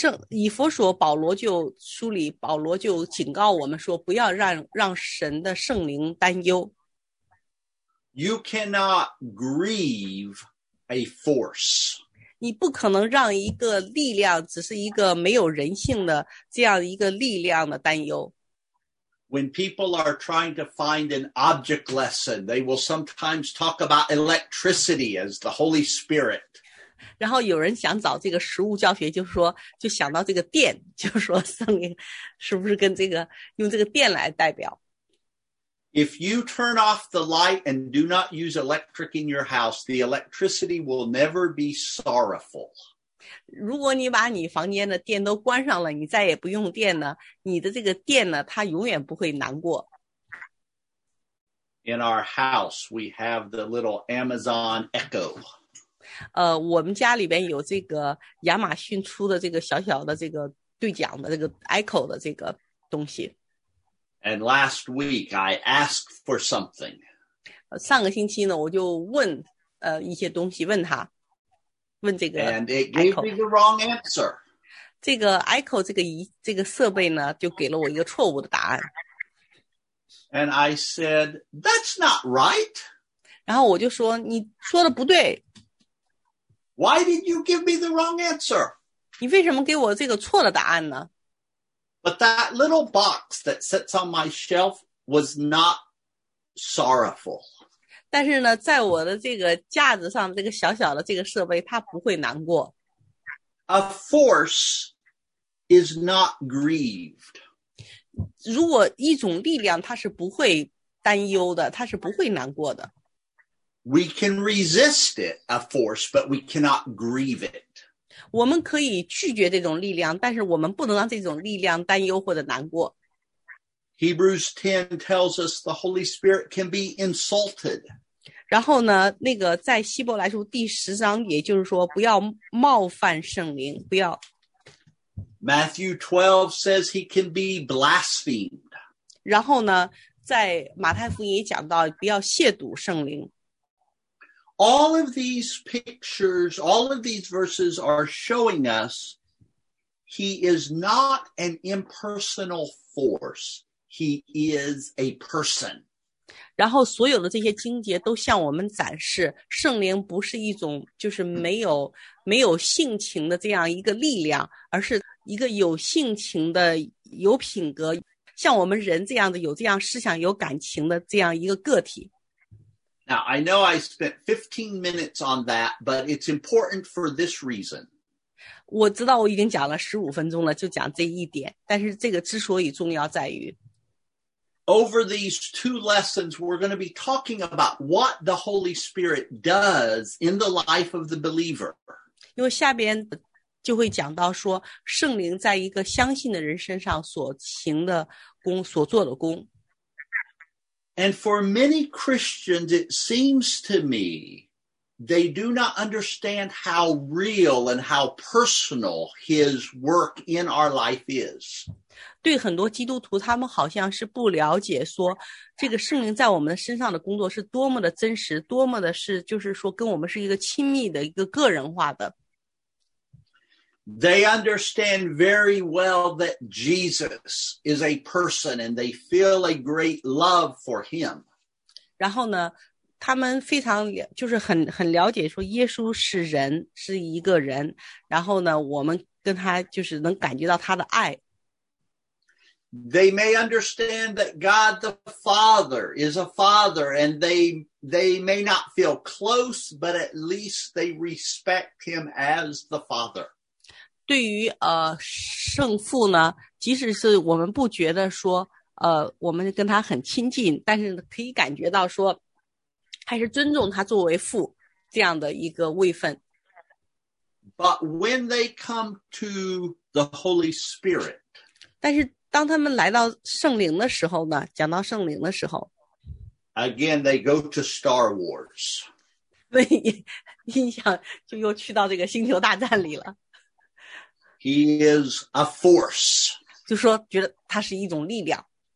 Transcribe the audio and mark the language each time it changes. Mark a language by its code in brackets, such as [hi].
[zh] 以弗所保罗就书里保罗就警告我们说不要 让神的圣灵担忧。 [en] You cannot grieve a force. [zh] 你不可能让一个力量只是一个没有人性的这样一个力量的担忧。 [en] When people are trying to find an object lesson, they will sometimes talk about electricity as the Holy Spirit. [zh] 然后有人想找这个实物教学，就是说，就想到这个电，就是说圣灵是不是跟这个用这个电来代表 [en] If you turn off the light and do not use electric in your house, the electricity will never be sorrowful. [zh] 如果你把你房间的电都关上了，你再也不用电呢，你的这个电呢，它永远不会难过。 [en] In our house, we have the little Amazon Echo. [zh] 我们家里边有这个亚马逊出的这个小小的这个对讲的这个 Echo 的这个东西。 [en] And last week, I asked for something. [zh] 上个星期呢，我就问一些东西，问他，问这个 Echo。 [en] And it gave me the wrong answer. [zh] 这个 Echo 这个设备呢，就给了我一个错误的答案。 [en] And I said, that's not right. [zh] 然后我就说，你说的不对。 [en] Why did you give me the wrong answer? [zh] 你为什么给我这个错的答案呢？ [en] But that little box that sits on my shelf was not sorrowful. [zh] 但是呢，在我的这个架子上，这个小小的这个设备，它不会难过。 [en] A force is not grieved. [zh] 如果一种力量，它是不会担忧的，它是不会难过的。 [en] We can resist it, a force, but we cannot grieve it. [zh] 我们可以拒绝这种力量，但是我们不能让这种力量担忧或者难过。 [en] Hebrews 10 tells us the Holy Spirit can be insulted. [zh] 然后呢，那个在希伯来书第十章，也就是说不要冒犯圣灵，不要。 [en] Matthew 12 says he can be blasphemed. [zh] 然后呢，在马太福音也讲到不要亵渎圣灵。 [en] All of these pictures, all of these verses are showing us he is not an impersonal force. He is a person. [zh] 然后所有的这些经节都向我们展示圣灵不是一种就是没有性情的这样一个力量，而是一个有性情的、有品格，像我们人这样的有这样思想、有感情的这样一个个体。 [en] Now, I know I spent 15 minutes on that, but it's important for this reason. [zh] 我知道我已经讲了15分钟了，就讲这一点，但是这个之所以重要在于。 [en] Over these two lessons, we're going to be talking about what the Holy Spirit does in the life of the believer. [zh] 因为下边就会讲到说圣灵在一个相信的人身上所行的功，所做的功。 [en] And for many Christians, it seems to me, they do not understand how real and how personal his work in our life is. [zh] 对很多基督徒，他们好像是不了解说，这个圣灵在我们身上的工作是多么的真实，多么的是，就是说跟我们是一个亲密的，一个个人化的。 [en] They understand very well that Jesus is a person and they feel a great love for him. [zh] 然后呢，他们非常就是很了解说耶稣是人，是一个人，然后呢，我们跟他就是能感觉到他的爱。 [en] They may understand that God the Father is a father and they may not feel close, but at least they respect him as the Father. [zh] 对于圣父呢，即使是我们不觉得说我们跟他很亲近，但是可以感觉到说还是尊重他作为父这样的一个位分。 [en] But when they come to the Holy Spirit, [zh] 但是当他们来到圣灵的时候呢，讲到圣灵的时候 [en] ，Again they go to Star Wars. [zh] 对，印象就又去到这个星球大战里了。 [en] He is a force. [zh] 就说觉得他是一种力量。